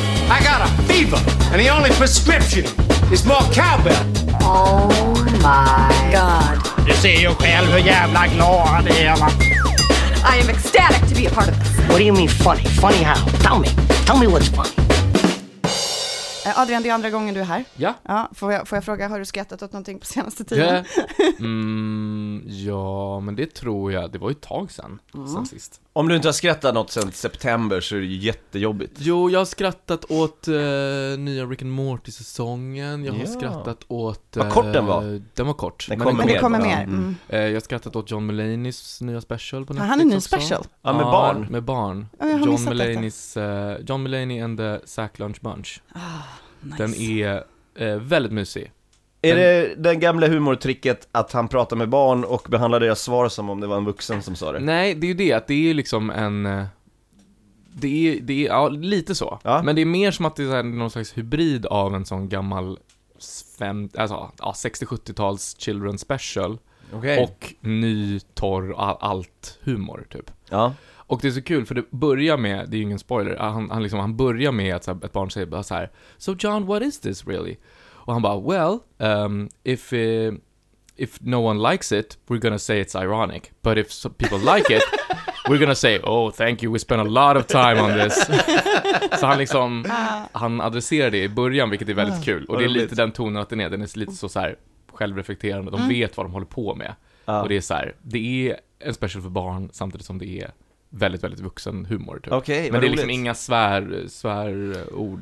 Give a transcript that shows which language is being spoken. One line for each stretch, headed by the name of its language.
English: I got a fever, and the only prescription is more cowbell. Oh my God. You see you can who you have like no idea. I am ecstatic to be a part of this. What do you mean funny? Funny how? Tell me. Tell me what's funny.
Swedish: Adrian, det är andra gången du är här. Ja. Ja, får jag fråga, har du skrattat åt någonting på senaste tiden? Ja, ja men det tror jag. Det var ju ett tag sedan, sen sist. Om du inte har skrattat något sedan september så är det ju jättejobbigt. Jo, jag har skrattat åt nya Rick and Morty-säsongen. Jag har skrattat åt... Vad kort den var. Den var kort. Den kommer mer. Mm. Jag har skrattat åt John Mulaneys nya special på Netflix. Han är ny special. Ja, med barn. Ja, med barn. Ja, John Mulaneys John Mulaney and the Sack Lunch Bunch. Ah, nice. Den är väldigt mysig. Är det den gamla humortricket att han pratar med barn och behandlar deras svar som om det var en vuxen som sa det? Nej, det är ju det. Det är liksom en... Det är ja, lite så. Ja. Men det är mer som att det är någon slags hybrid av en sån gammal 60-70-tals children special. Okay. Och ny, torr, allt humor typ. Ja. Och det är så kul för det börjar med, det är ju ingen spoiler, han börjar med att ett barn säger bara så här:
English: "So John, what is this really?"
Swedish: Och han bara,
English: well, if no one likes it, we're gonna say it's ironic. But if some people like it, we're gonna say, oh, thank you, we spent a lot of time on this.
Swedish: Så han liksom, han adresserar det i början, vilket är väldigt kul. Och det är lite den tonen att den är lite så här självreflekterande. De vet vad de håller på med. Och det är så här, det är en special för barn samtidigt som det är väldigt, väldigt vuxen humor. Typ. Okay, men det är liksom inga svärord.